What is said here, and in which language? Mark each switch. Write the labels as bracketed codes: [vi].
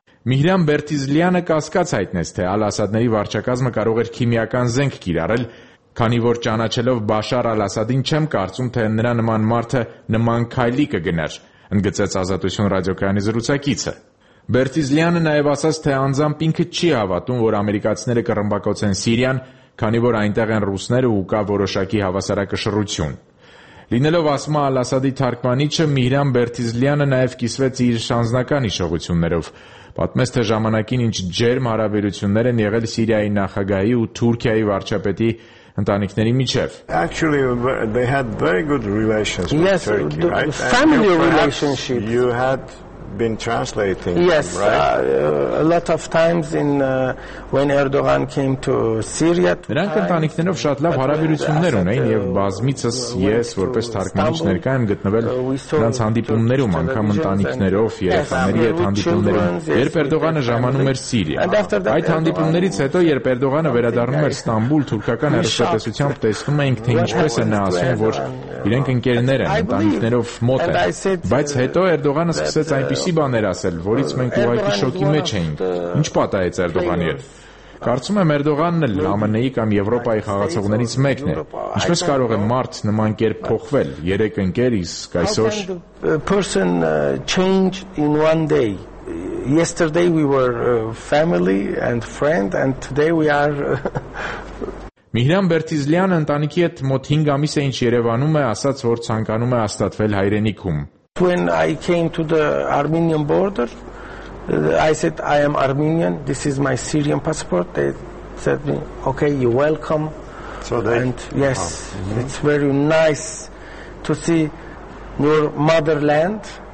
[hy] Միհրան Բերտիզլյանը կասկած հայտնեց, թե Ալ-Ասադների վարչակազմը կարող էր քիմիական զենք կիրառել, քանի որ ճանաչելով Բաշար Ալ-Ասադին չեմ կարծում, թե նրա նման մարդը նման քայլի կգներ, ընդգծեց Ազատություն ռադիոկայանի զրուցակիցը։ Բերտիզլյանը նաև ասաց, թե անձամբ ինքը չի հավատում, որ ամերիկացիները կռմբակոծեն Սիրիան, քանի որ այնտեղ են ռուսները ու կա որոշակի հավասարակշռություն։ Լինելով Ասմա Ալ-Ասադի թարգմանիչը, Միհրան Բերտիզլյանը նաև կիսվեց իր շանձնական հիշողություններով։ Պատմեց, թե ժամանակին ինչ ջերմ հարաբերություններ են եղել Սիրիայի նախագահի ու Թուրքիայի վարչապետի ընտանիքների միջև։ [en] Actually they had very good relations with Turkey, right? Family relationship. You had been translating. Yes, them, right? A lot of times in when Erdogan came to Syria. [hy] Նրանք ընտանիքներով շատ լավ հարաբերություններ ունեին եւ բազմիցս ես որպես թարգմանիչ ներկա եմ գտնվել նրանց հանդիպումներում, անգամ ընտանիքներով, երեխաների հետ հանդիպումներում, երբ Էրդողանը ժամանում էր Սիրիա։ Այդ հանդիպումներից հետո, երբ Էրդողանը վերադառնում էր Ստամբուլ, թուրքական հեռուստատեսությամբ տեսնում էինք, թե ինչպես են ասում, որ իրենք ընկերներ են, ընտանիքներով մոտ են, բայց հետո Էրդողանը սկսեց այնպիսի բաներ ասել, որից մենք ուղղակի շոկի մեջ էինք։ Ինչ պատահեց Էրդողանի հետ։ Կարծում եմ Էրդողանն էլ ԱՄՆ-ի կամ Եվրոպայի խաղացողներից մեկն է։ Ինչպես կարող է մարդ նման կերպ փոխվել երեք ընկեր, իսկ այսօր [en] person change in one day. Yesterday we were family and friend and today we are [hy] Միհրան Բերտիզլյանը ընտանիքի հետ մոտ 5 ամիս է ինչ Երևանում է, ասաց, որ ցանկանում է հաստատվել հայրենիքում։ [en] When I came to the Armenian border, I said I am Armenian, this is my Syrian passport. They said me, okay, you're welcome. So they, and yes, it's very nice to see your motherland.